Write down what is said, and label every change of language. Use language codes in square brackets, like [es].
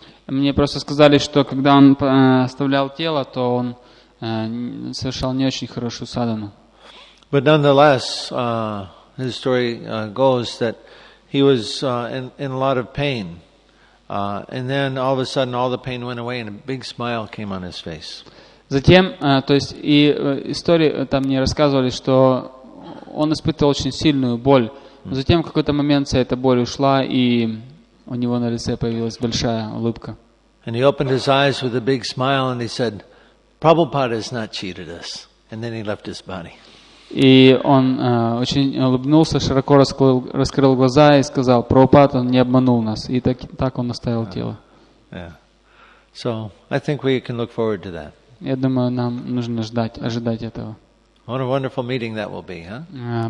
[ru] Мне просто сказали, что когда он оставлял тело, то он совершал не очень хорошую садхану. [en] But nonetheless, his story goes that he was in a lot of pain, and then all of a sudden, all the pain went away, and a big smile came on his face. [ru] Затем, то есть, и истории там мне рассказывали, что он испытывал очень сильную боль. Но затем в какой-то момент вся эта боль ушла, и у него на лице появилась большая улыбка. [en] And he opened his eyes with a big smile, and he said, "Prabhupada has not cheated us." And then he left his body. [ru] И он очень улыбнулся, широко раскрыл глаза и сказал: "Прабхупад, он не обманул нас". И так он оставил тело. [en] So I think we can look forward to that. [ru] Я думаю, нам нужно ожидать этого. [en] What a wonderful meeting that will be, huh?